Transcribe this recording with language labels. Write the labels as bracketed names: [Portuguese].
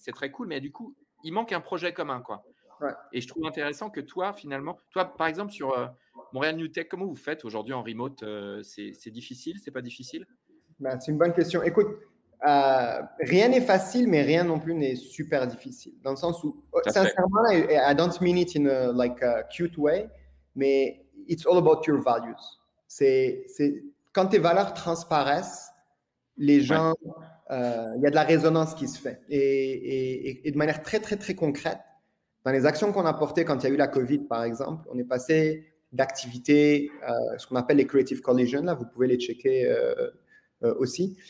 [French] C'est très cool, mais du coup, il manque un projet commun, quoi. Ouais. Et je trouve intéressant que toi, finalement, toi, par exemple, sur Montréal New Tech, comment vous faites aujourd'hui en remote c'est difficile, c'est pas difficile? C'est une bonne question. Écoute, rien n'est facile, mais rien non plus n'est super difficile. Dans le sens où, sincèrement, [English] I don't mean it in a cute way, [French] mais [English] it's all about your values. [French] C'est quand tes valeurs transparaissent, les gens, il y a de la résonance qui se fait. Et de manière très, très, très concrète, dans les actions qu'on a portées quand il y a eu la COVID, par exemple, on est passé d'activités, ce qu'on appelle les Creative Collisions, là, vous pouvez les checker aussi.